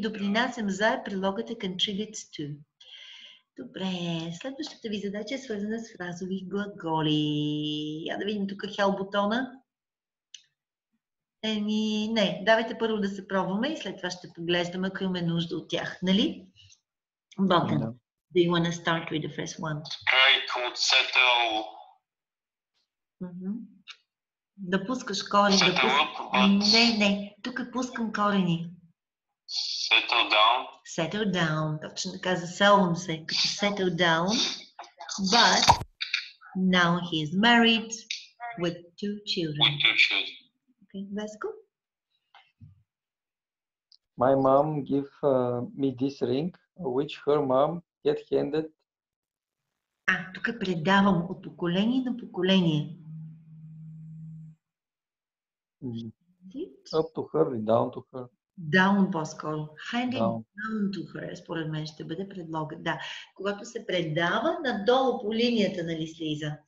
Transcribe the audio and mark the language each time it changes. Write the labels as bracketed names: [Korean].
[Bulgarian] Допринасям за предлогата [English] contributes to. [Bulgarian] Добре. Следващата ви задача е свързана с фразови глаголи. Я да видим тук хел бутона. Еми, не. Давайте първо да се пробваме и след това ще поглеждаме, ако имаме нужда от тях. Нали? [English] Богдан, do you want to start with the first one? Great would settle. [Bulgarian] Да пускаш корени. Settle да пускаш... [English] up, but... [Bulgarian] Не, не, тук пускам корени. [English] Settle down. Settle down. [Bulgarian] Точно така, заселвам се като settle down. [English] But now he is married with two children. With two children. Okay, let's go. My mom give me this ring, which her mom get handed. [Bulgarian] А, тук предавам от поколение на поколение. [English] Up to her, down to her. [Bulgarian] Down по-скоро. Handed down to her, според мен ще бъде предлогът. Да, когато се предава надолу по линията, нали слиза.